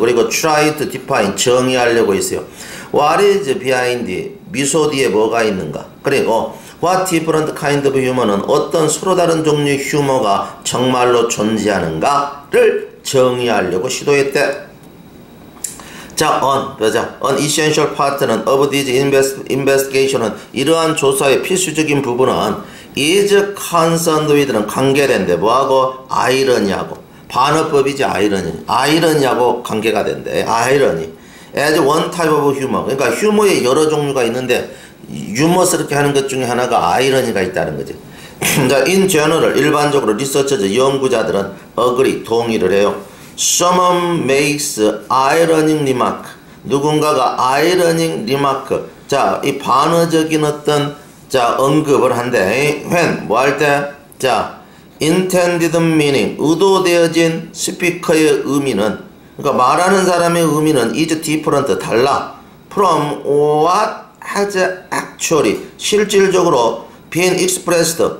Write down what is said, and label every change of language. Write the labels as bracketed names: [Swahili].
[Korean] 그리고 [English] try to define [Korean] 정의하려고 했어요. [English] What is behind it? [Korean] 미소 뒤에 뭐가 있는가? 그리고 [English] What different kind of humor [Korean] 은 어떤 서로 다른 종류의 휴머가 정말로 존재하는가를 정의하려고 시도했대. 자, on, 보자. [English] An essential part [Korean] 는 [English] of this investigation [Korean] 은 이러한 조사의 필수적인 부분은 [English] is concerned with [Korean] 는 관계된대. 뭐하고? 아이러니하고. 반어법이지, 아이러니. 아이러니하고 관계가 된대. [English] 아이러니. As one type of humor. [Korean] 그러니까 휴머의 여러 종류가 있는데 유머스럽게 하는 것 중에 하나가 아이러니가 있다는 거지. 자, [English] in general, [Korean] 일반적으로 리서처즈 연구자들은 agree, 동의를 해요. [English] Someone makes ironic remark. [Korean] 누군가가 [English] ironic remark. [Korean] 자, 이 반어적인 어떤 자 언급을 한대. When, 뭐 할 때? 자, [English] intended meaning, [Korean] 의도되어진 스피커의 의미는 그러니까 말하는 사람의 의미는 [English] is different, [Korean] 달라 [English] from what has actually [Korean] 실질적으로 [English] been expressed.